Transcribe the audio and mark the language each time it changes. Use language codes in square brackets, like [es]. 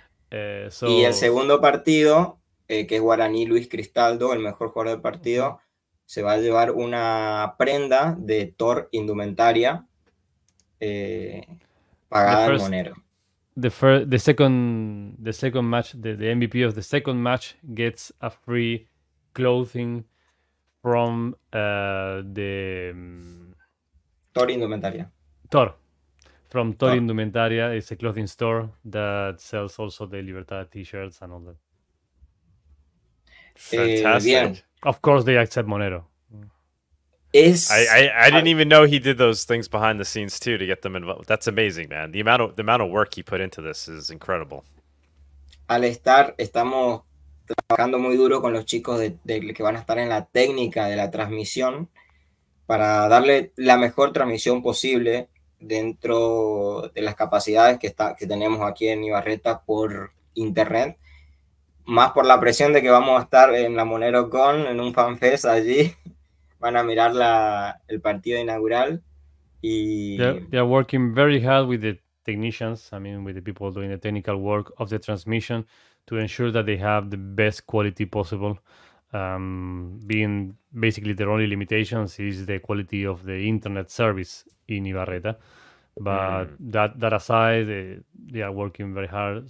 [es] Y el segundo partido, que es Guaraní Luis Cristaldo, el mejor jugador del partido, se va a llevar una prenda de Thor Indumentaria pagada en Monero. [en] The second match, the MVP of the second match gets a free clothing from the Thor Indumentaria. From Thor Indumentaria, it's a clothing store that sells also the Libertad t-shirts and all that. Fantastic. [es] Bien. [en] Of course they accept Monero. I didn't even know he did those things behind the scenes too to get them involved. That's amazing, man. The amount of work he put into this is incredible. [es] Al estar, estamos trabajando muy duro con los chicos de que van a estar en la técnica de la transmisión para darle la mejor transmisión posible dentro de las capacidades que tenemos aquí en Ibarreta por internet, más por la presión de que vamos a estar en la MoneroCon, en un fanfest allí, van a mirar el partido inaugural y [en] they're working very hard with the technicians, I mean with the people doing the technical work of the transmission to ensure that they have the best quality possible. Being basically their only limitations is the quality of the internet service in Ibarreta, but that aside, they are working very hard.